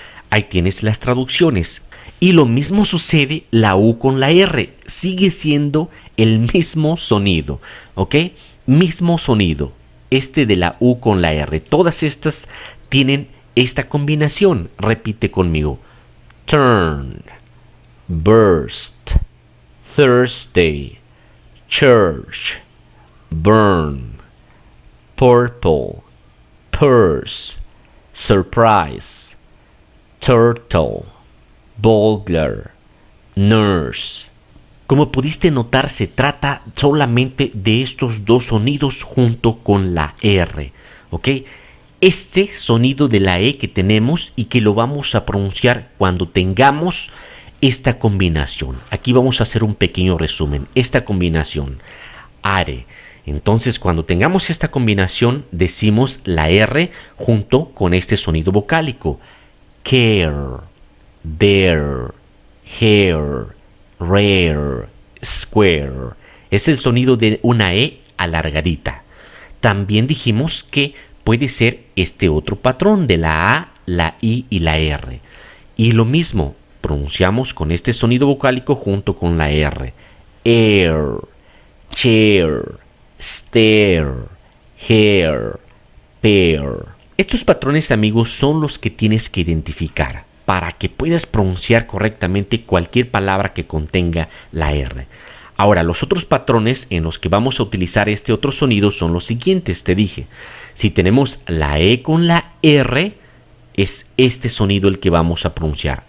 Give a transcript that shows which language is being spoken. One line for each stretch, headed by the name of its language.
Spanish: Ahí tienes las traducciones. Y lo mismo sucede la U con la R. Sigue siendo el mismo sonido. ¿Ok? Mismo sonido. Este de la U con la R. Todas estas tienen esta combinación. Repite conmigo.
English: Turn, burst, Thursday, church, burn, purple, purse, surprise, turtle, boulder, nurse.
Spanish: Como pudiste notar, se trata solamente de estos dos sonidos junto con la R, ¿ok? Este sonido de la E que tenemos y que lo vamos a pronunciar cuando tengamos esta combinación. Aquí vamos a hacer un pequeño resumen. Esta combinación, are. Entonces, cuando tengamos esta combinación, decimos la R junto con este sonido vocálico.
English: Care, there, hair, rare, square.
Spanish: Es el sonido de una E alargadita. También dijimos que puede ser este otro patrón de la A, la I y la R. Y lo mismo, pronunciamos con este sonido vocálico junto con la R.
English: Air, chair, stare, hair, pear.
Spanish: Estos patrones, amigos, son los que tienes que identificar para que puedas pronunciar correctamente cualquier palabra que contenga la R. Ahora, los otros patrones en los que vamos a utilizar este otro sonido son los siguientes, te dije. Si tenemos la E con la R, es este sonido el que vamos a pronunciar.